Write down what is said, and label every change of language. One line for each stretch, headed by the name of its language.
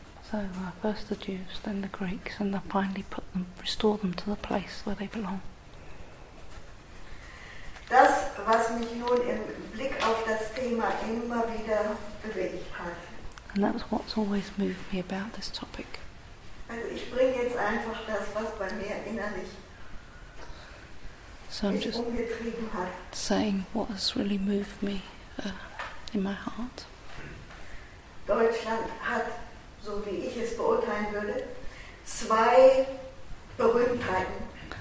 English: So first the Jews, then the Greeks, and they finally restore them to the place where they belong.
German: Das, was mich nun im Blick auf das Thema immer wieder bewegt hat.
English: And that was what's always moved me about this topic.
German: Also ich bringe jetzt einfach das, was bei mir innerlich so mich umgetrieben hat.
English: Saying what has really moved me in my heart.
German: Deutschland hat, so wie ich es beurteilen würde, zwei Berühmtheiten.